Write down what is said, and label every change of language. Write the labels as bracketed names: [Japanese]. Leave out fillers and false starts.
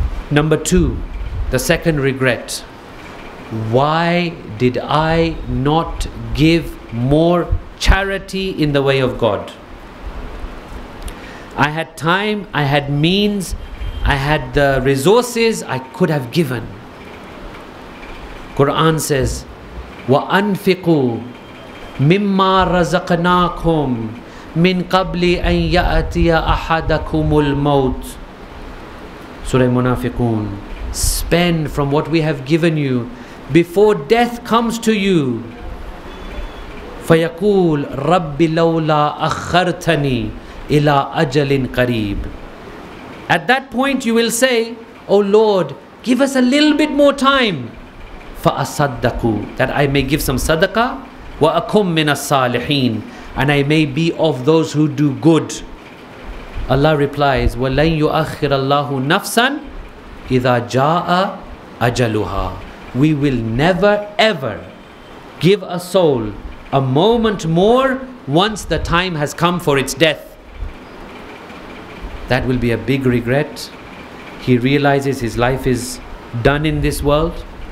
[English] Number two, the second regret. Why did I not give more charity in the way of God? I had time, I had means, I had the resources, I could have given. Quran says, [Arabic] وَأَنْفِقُوا مِمَّا رَزَقْنَاكُمْ مِنْ قَبْلِ أَنْ يَأْتِيَ أَحَدَكُمُ الْمَوْتِ. [English] Surah Munafiqun. Spend from what we have given you before death comes to you. [Arabic] فَيَقُولْ رَبِّ لَوْلَا أَخَّرْتَنِي إِلَىٰ أَجَلٍ قَرِيبٍ. [English] At that point you will say, oh Lord, give us a little bit more time. [Arabic] فَأَصَدَّقُوا. [English] That I may give some sadaqah. [Arabic] وَأَكُمْ مِنَ الصَّالِحِينَ. [English] And I may be of those who do good. Allah replies, [Arabic] وَلَنْ يُؤَخِّرَ اللَّهُ نَفْسًا إِذَا جَاءَ أَجَلُهَا. [English] We will never ever give a soul a moment more once the time has come for its death. That will be a big regret. He realizes his life is done in this world.